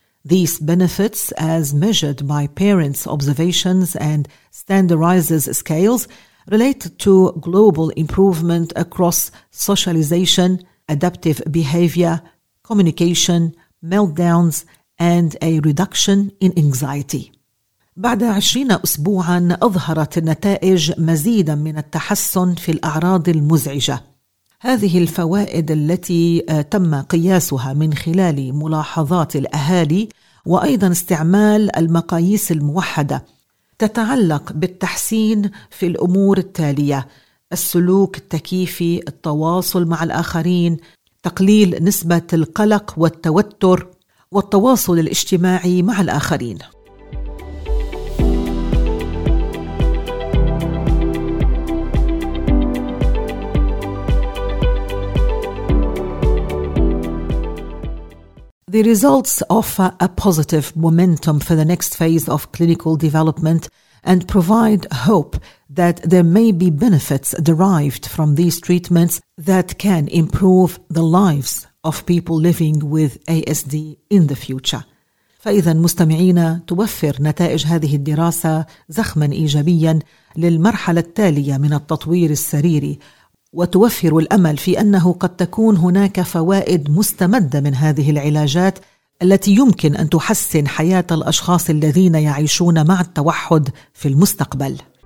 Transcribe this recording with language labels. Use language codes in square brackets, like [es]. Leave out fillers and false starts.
[en] These benefits, as measured by parents' observations and standardized scales, relate to global improvement across socialization, adaptive behavior, communication, meltdowns, and a reduction in anxiety. [ar] بعد 20 أسبوعاً أظهرت النتائج مزيداً من التحسن في الأعراض المزعجة. هذه الفوائد التي تم قياسها من خلال ملاحظات الأهالي وأيضا استعمال المقاييس الموحدة تتعلق بالتحسين في الأمور التالية: السلوك التكيفي، التواصل مع الآخرين، تقليل نسبة القلق والتوتر، والتواصل الاجتماعي مع الآخرين. [en] The results offer a positive momentum for the next phase of clinical development and provide hope that there may be benefits derived from these treatments that can improve the lives of people living with ASD in the future. [ar] فإذا مستمعينا، توفر نتائج هذه الدراسة زخما إيجابيا للمرحلة التالية من التطوير السريري، وتوفر الأمل في أنه قد تكون هناك فوائد مستمدة من هذه العلاجات التي يمكن أن تحسن حياة الأشخاص الذين يعيشون مع التوحد في المستقبل.